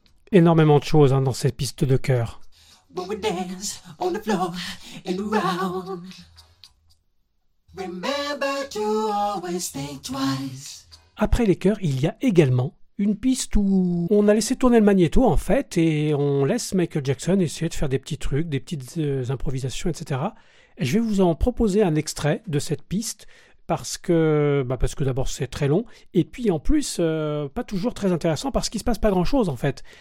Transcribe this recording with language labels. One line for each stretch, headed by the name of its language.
French: Énormément de choses, hein, dans cette piste de chœurs.
English: when we dance on the floor and around. Remember to always think twice.
French: Après les chœurs, il y a également une piste où on a laissé tourner le magnéto, en fait, et on laisse Michael Jackson essayer de faire des petits trucs, des petites improvisations, etc. Et je vais vous en proposer un extrait de cette piste, parce que d'abord c'est très long, et puis en plus, pas toujours très intéressant, parce qu'il ne se passe pas grand-chose, en fait.